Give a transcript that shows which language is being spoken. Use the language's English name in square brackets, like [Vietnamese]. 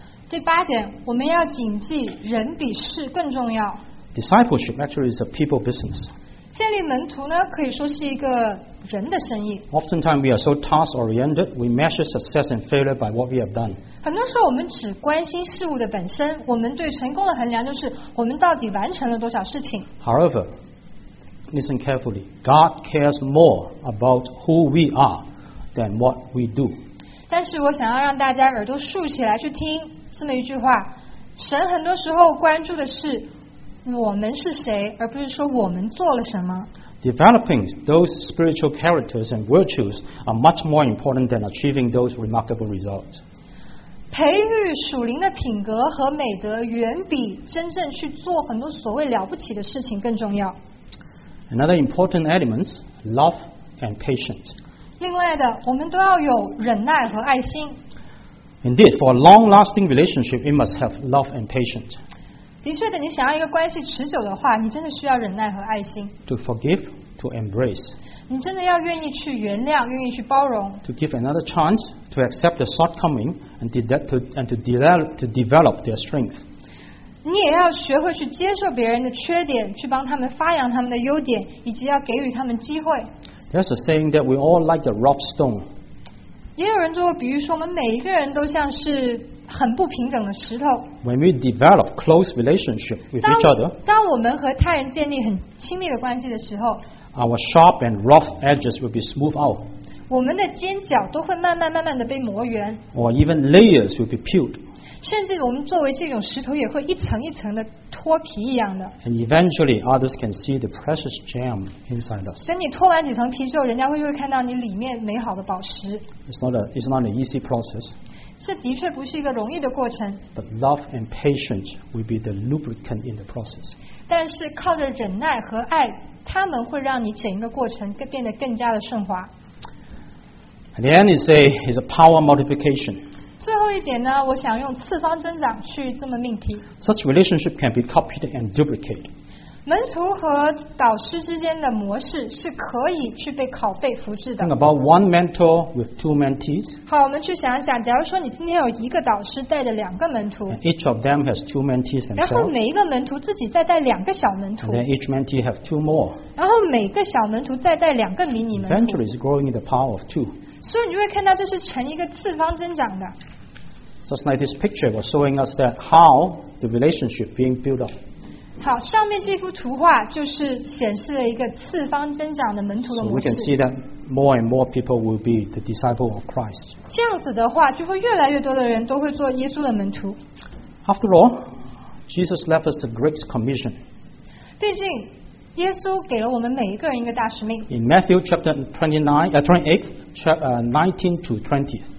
[Chinese] 第八点，我们要谨记人比事更重要。 [English] Discipleship actually is a people business. [Chinese] 建立门徒呢，可以说是一个人的生意。 [English] Oftentimes we are so task-oriented, we measure success and failure by what we have done. [Chinese] 很多时候我们只关心事物的本身，我们对成功的衡量就是我们到底完成了多少事情。 [English] However, listen carefully. God cares more about who we are than what we do. [Chinese] 但是我想要让大家耳朵竖起来去听这么一句话，神很多时候关注的是我们是谁，而不是说我们做了什么。 [English] Developing those spiritual characters and virtues are much more important than achieving those remarkable results. [Chinese] 培育属灵的品格和美德远比真正去做很多所谓了不起的事情更重要。 [English] Another important element, love and patience. [Chinese] 另外的，我们都要有忍耐和爱心。 [English] Indeed, for a long-lasting relationship, we must have love and patience. [Chinese] 的确的，你想要一个关系持久的话，你真的需要忍耐和爱心。 [English] To forgive, to embrace. [Chinese] 你真的要愿意去原谅，愿意去包容。 [English] To give another chance, to accept the shortcoming, and to develop their strength. [Chinese] 你也要学会去接受别人的缺点，去帮他们发扬他们的优点，以及要给予他们机会。 [English] There's a saying that we all like the rough stone. [Chinese] 也有人做过比喻说，我们每一个人都像是很不平等的石头。 [English] When we develop close relationship with each other, [Chinese] 当我们和他人建立很亲密的关系的时候， [English] our sharp and rough edges will be smoothed out. [Chinese] 我们的尖角都会慢慢慢慢的被磨圆。 [English] Or even layers will be peeled. [Chinese] 甚至我们作为这种石头也会一层一层的脱皮一样的。 [English] And eventually others can see the precious gem inside us. [Chinese] 等你脱完几层皮之后，人家会看到你里面美好的宝石。 [English] It's not an easy process. [Chinese] 这的确不是一个容易的过程。 [English] But love and patience will be the lubricant in the process. [Chinese] 但是靠着忍耐和爱，他们会让你整个过程变得更加的顺滑。 [English] At the end, it's a power multiplication. [Chinese] 最后一点呢，我想用次方增长去这么命题。 [English] Such relationship can be copied and duplicated. [Chinese] 门徒和导师之间的模式是可以去被拷贝复制的。 [English] Think about one mentor with two mentees. [Chinese] 好，我们去想一想，假如说你今天有一个导师带着两个门徒。 [English] And each of them has two mentees themselves. [Chinese] 然后每一个门徒自己再带两个小门徒。 [English] And then each mentee have two more. [Chinese] 然后每个小门徒再带两个迷你门徒。 [English] Eventually, it's growing in the power of two. [Chinese] 所以你会看到这是成一个次方增长的。 [English] Just like this picture was showing us that how the relationship being built up. [Chinese] 好，上面这幅图画就是显示了一个次方增长的门徒的模式。 [English] So we can see that more and more people will be the disciple of Christ. [Chinese] 这样子的话，就会越来越多的人都会做耶稣的门徒。 [English] After all, Jesus left us a great commission. [Chinese] 毕竟，耶稣给了我们每一个人一个大使命。 [English] In Matthew chapter 28. 19 to 20.